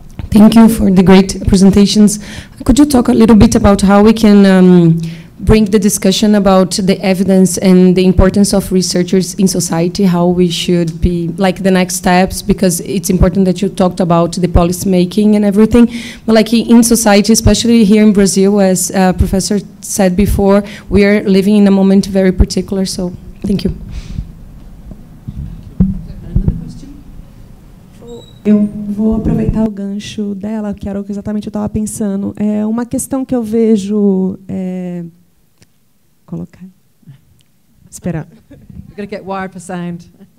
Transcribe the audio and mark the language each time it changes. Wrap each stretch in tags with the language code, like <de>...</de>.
<en>Thank you for the great presentations. Could you talk a little bit about how we can bring the discussion about the evidence and the importance of researchers in society, how we should be, like, the next steps, because it's important that you talked about the policy making and everything. But, like, in society, especially here in Brazil, as Professor said before, we are living in a moment very particular, so thank you.</en> <pt>Eu vou aproveitar o gancho dela, que era o que exatamente eu estava pensando. É uma questão que eu vejo... colocar? Espera.</pt> <en>You're going to get wired for sound.</en>